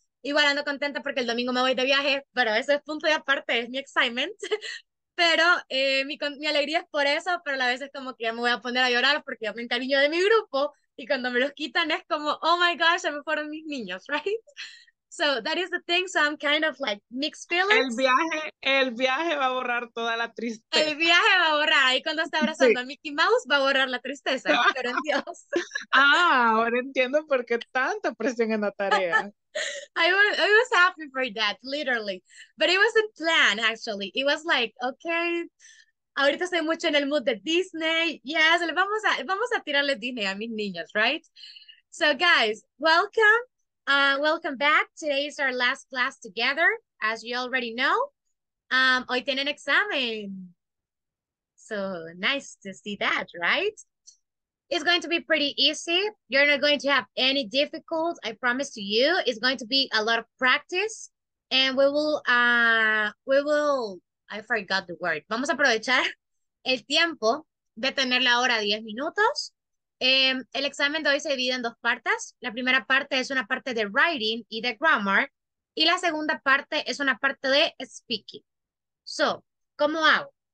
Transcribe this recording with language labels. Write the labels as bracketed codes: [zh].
[es] Igual ando contenta porque el domingo me voy de viaje, pero eso es punto y aparte, es mi excitement. Pero mi alegría es por eso, pero a la vez es como que ya me voy a poner a llorar porque ya me encariño de mi grupo y cuando me los quitan es como, [en] oh my gosh, [es] ya me fueron mis niños, right? [en] So that is the thing, so I'm kind of like mixed feelings. [es] El viaje va a borrar toda la El tristeza. viaje va a borrar, y cuando está abrazando Sí. a Mickey Mouse va a borrar la tristeza, pero en Dios. Ah, ahora entiendo por qué tanta presión en la tarea. [en] I was happy for that, literally. But it wasn't planned, actually. It was like, okay, [es] ahorita estoy mucho en el mood de Disney. Yes, vamos a tirarle Disney a mis niños, right? [en] So, guys, welcome back. Today is our last class together, as you already know. [es] Hoy tienen examen. [en] So nice to see that, right? It's going to be pretty easy. You're not going to have any difficult, I promise to you. It's going to be a lot of practice. And I forgot the word. [es] Vamos a aprovechar el tiempo de tener la hora 10 minutos. El examen de hoy se divide en dos partes. La primera parte es una parte de writing y de grammar. Y la segunda parte es una parte de speaking. So, ¿cómo hago?